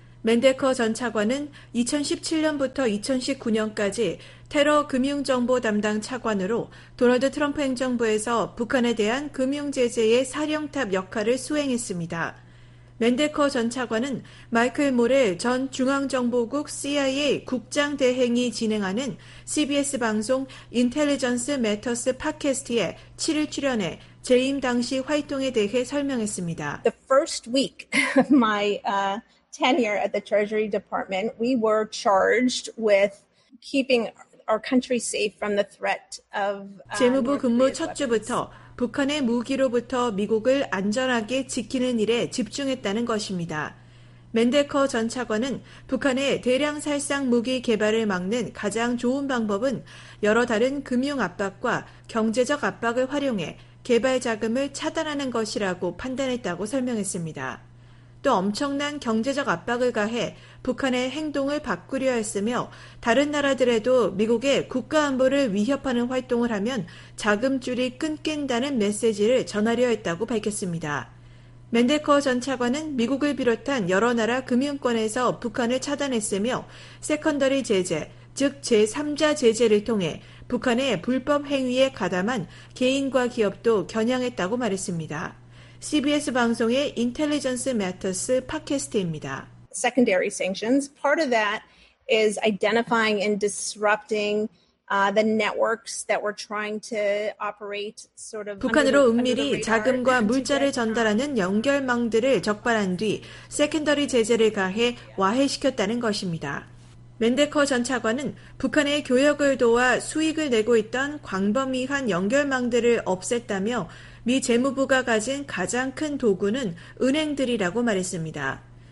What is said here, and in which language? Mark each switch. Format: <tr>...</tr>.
<ko>맨델커 전 차관은 2017년부터 2019년까지 테러 금융정보 담당 차관으로 도널드 트럼프 행정부에서 북한에 대한 금융제재의 사령탑 역할을 수행했습니다. 맨델커 전 차관은 마이클 모레 전 중앙정보국 CIA 국장 대행이 진행하는 CBS 방송 인텔리전스 매터스 팟캐스트에 7일 출연해 재임 당시 활동에 대해 설명했습니다.</ko> <en>The first week of my tenure at the Treasury Department, we were charged with keeping our country safe from the threat of</en> <ko>재무부 근무 첫 주부터 북한의 무기로부터 미국을 안전하게 지키는 일에 집중했다는 것입니다. 맨델커 전 차관은 북한의 대량 살상 무기 개발을 막는 가장 좋은 방법은 여러 다른 금융 압박과 경제적 압박을 활용해 개발 자금을 차단하는 것이라고 판단했다고 설명했습니다. 또 엄청난 경제적 압박을 가해 북한의 행동을 바꾸려 했으며 다른 나라들에도 미국의 국가안보를 위협하는 활동을 하면 자금줄이 끊긴다는 메시지를 전하려 했다고 밝혔습니다. 맨델커 전 차관은 미국을 비롯한 여러 나라 금융권에서 북한을 차단했으며 세컨더리 제재, 즉 제3자 제재를 통해 북한의 불법 행위에 가담한 개인과 기업도 겨냥했다고 말했습니다. CBS 방송의 인텔리전스 매터스 팟캐스트입니다.</ko> <en>Secondary sanctions. Part of that is identifying and disrupting the networks that were trying to operate sort of</en> <ko>북한으로 은밀히 자금과 물자를 전달하는 연결망들을 적발한 뒤 세컨더리 제재를 가해 와해시켰다는 것입니다. 맨데커 전 차관은 북한의 교역을 도와 수익을 내고 있던 광범위한 연결망들을 없앴다며 미 재무부가 가진 가장 큰 도구는 은행들이라고 말했습니다.</ko>